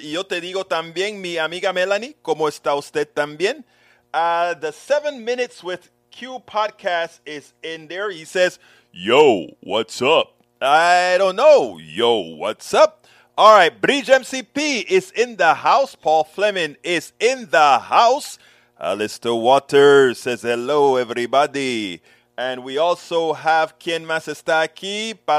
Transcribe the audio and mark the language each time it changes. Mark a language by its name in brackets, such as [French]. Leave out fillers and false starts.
[Spanish] Y yo te digo también, mi amiga Melanie, ¿cómo está usted también? [English] The 7 minutes with Q podcast is in there. He says, yo, what's up? I don't know. Yo, what's up? All right, Bridge MCP is in the house. Paul Fleming is in the house. Alistair Waters says hello, everybody. And we also have, [Spanish] ¿quién más está aquí?